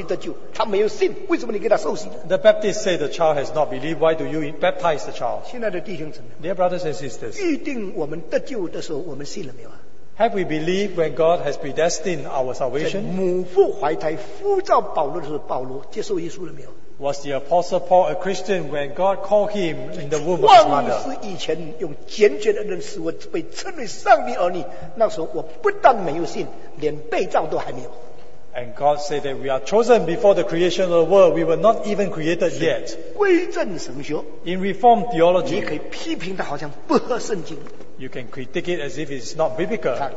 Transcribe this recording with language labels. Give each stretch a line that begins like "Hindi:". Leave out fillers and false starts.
Chinese: 信心会系统的人，你信而受洗的就比得救。他没有信，为什么你给他受洗呢？
English: The Baptist say the child has not believed. Why do you baptize the child?
Chinese: 亲爱的弟兄姊妹，
English: Dear brothers and sisters,
Chinese: 预定我们得救的时候，我们信了没有啊？
English: Have we believed when God has predestined our salvation?
Chinese: 在母腹怀胎呼召保罗的时候，保罗接受耶稣了没有？
English: Was the Apostle Paul a Christian when God called him in the womb of his mother?
Chinese: 创世以前用拣选的恩赐，我被称为上帝儿女。那时候我不但没有信，连被造都还没有。
English: And God said that we are chosen before the creation of the world. We were not even created yet.
Chinese: 归正神学，
English: In Reformed theology,
Chinese: 你可以批评它好像不合圣经。
English: You can critique it as if it's not biblical.